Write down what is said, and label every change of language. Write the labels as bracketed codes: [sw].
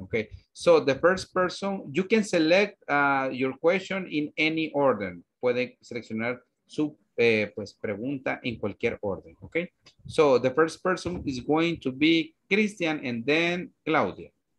[en] Ok, so the first person, you can select your question in any order. [es] Pueden seleccionar su pues, pregunta en cualquier orden. [en] Ok, so the first person is going to be Christian and then Claudia.